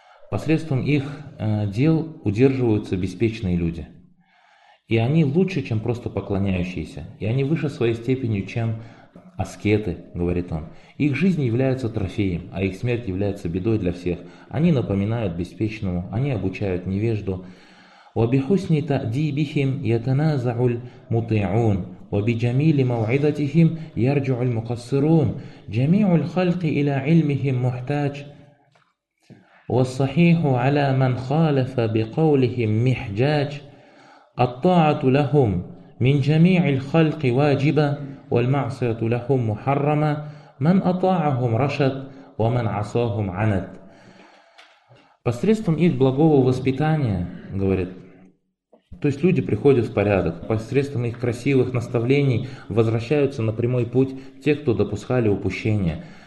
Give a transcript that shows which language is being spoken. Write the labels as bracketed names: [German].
[Russian] Посредством их дел удерживаются беспечные люди. И они лучше, чем просто поклоняющиеся. И они выше своей степенью, чем аскеты, говорит он. Их жизнь является трофеем, а их смерть является бедой для всех. Они напоминают беспечному, они обучают невежду. [Arabic] وَبِحُسْنِ تَأْدِيبِهِمْ يَتَنَازَعُ الْمُطِيعُونَ وَبِجَمِيلِ مَوْعِدَتِهِمْ يَرْجُعُ الْمُقَصِّرُونَ جَمِيعُ الْخَلْقِ إِلَى عِلْمِهِمْ مُحْتَاجٌ وَالصَّحِيحُ عَلَى مَنْ خَالَفَ بِقَوْلِهِمْ مِحْجَاجٌ الطاعه لهم من جميع الخلق واجبه والمعصيه لهم محرمه من اطاعهم رشد ومن عصاهم عنت. [Russian] Посредством их благого воспитания, говорит, то есть люди приходят в порядок, посредством их красивых наставлений возвращаются на прямой путь те, кто допускали упущения.